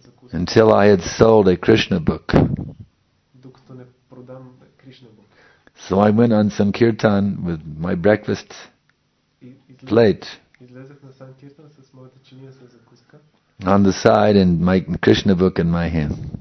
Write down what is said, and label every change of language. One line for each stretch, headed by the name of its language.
English: until I had sold a Krishna book.
Bulgarian: Докато не продам Кришна
English: book. So I went on Sankirtan with my breakfast plate.
Bulgarian: Излезах на Санкиртан с моята чиния с закуска.
English: On the side and my Krishna book in my hand.